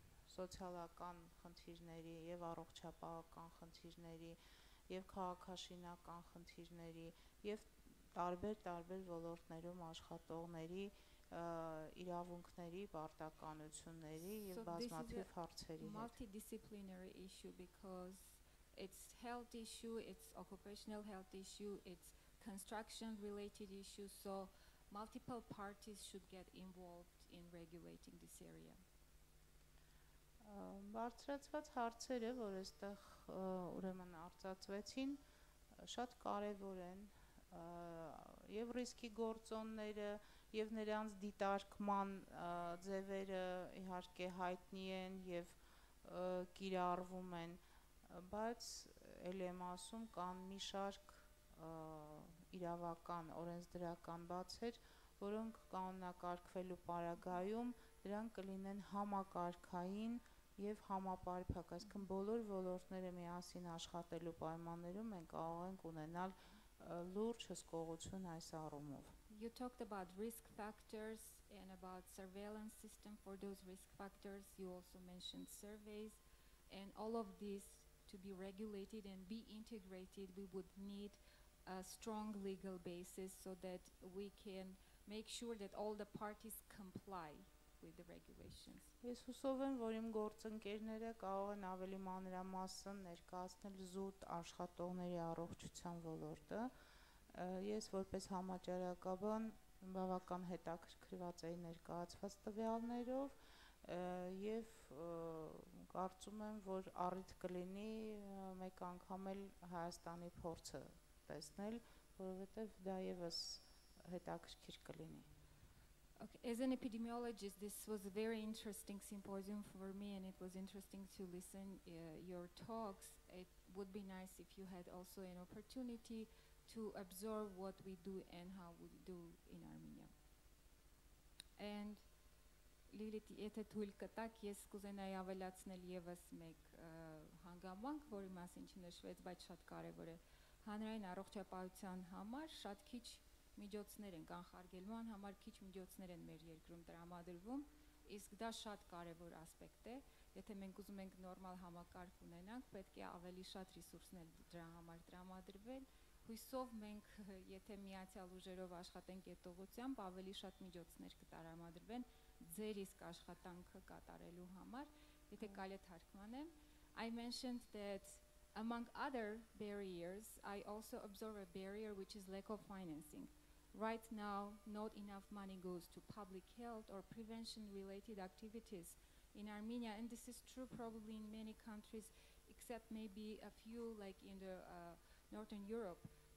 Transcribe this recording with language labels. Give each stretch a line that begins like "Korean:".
Armenian: սոցիալական խնդիրների եւ առողջապահական խնդիրների եւ քաղաքաշինական խնդիրների եւ տարբեր ոլորտներում աշխատողների իրավունքների պարտականությունների եւ բազմաթիվ հարցերի հետ։
English: Multidisciplinary issue because it's health issue, it's occupational health issue, it's construction related issue, so multiple parties should get involved in regulating this area.
Armenian: Բարձրացված հարցերը, որ այստեղ ուրեմն արձացվեցին, շատ կարևոր են, եւ ռիսկի գործոնները եւ նրանց դիտարկման ձևերը իհարկե հայտնի են եւ կիրառվում են, բայց էլ եմ ասում, կան մի շարք իրավական օրենսդրական բացեր, որոնք կանոնակարգվելու պարագայում դրանք կլինեն համակարգային և համապարփակ, այսինքն բոլոր ոլորտները միասին աշխատելու պայմաններում մենք կարող ենք ունենալ լուրջ հսկողություն այս առումով։
English: you talked about risk factors and about surveillance system for those risk factors. You also mentioned surveys, and all of this to be regulated and be integrated, we would need a strong legal basis so that we can make sure that all the parties comply with the regulations.
Armenian: Ես հուսով եմ, որ իմ գործընկերները կարող են ավելի մանրամասն ներկայացնել զուտ աշխատողների առողջության ոլորտը։ Ես որպես համաճարակաբան բավական հետաքրքրված էի ներկայացված տվյալներով, և կարծում եմ, որ առիթ կլինի մեկ անգամ էլ Հայաստանի փորձը տեսնել, որովհետև դա ևս հետաքրքիր կլինի։
English: Okay. As an epidemiologist, this was a very interesting symposium for me, and it was interesting to listen your talks. It would be nice if you had also an opportunity to observe what we do and how we do in Armenia. And
Armenian: Lilit, եթե թույլ կտաք, ես կուզենայի ավելացնել եւս մեկ հանգամանք, որի մասին չնշվեց, բայց շատ կարևոր է հանրային առողջապահության համար շատ քիչ միջոցներ են կանխարգելման համար, քիչ միջոցներ են մեր երկրում տրամադրվում, իսկ դա շատ կարևոր ասպեկտ է, եթե մենք ուզում ենք նորմալ համակարգ ունենանք, պետք է ավելի շատ ռիսուրսներ դրա համար տրամադրվեն, հույսով մենք, եթե միացյալ ուժերով աշխատենք այդ ուղությամբ, ավելի շատ միջոցներ կտարամադրվեն ձեր իսկ աշխատանքը կատարելու համար, եթե կարելի թարգմանեմ.
English: I mentioned that among other barriers, I also observe a barrier which is lack of financing. Right now, not enough money goes to public health or prevention-related activities in Armenia, and this is true probably in many countries, except maybe a few like in the Northern Europe.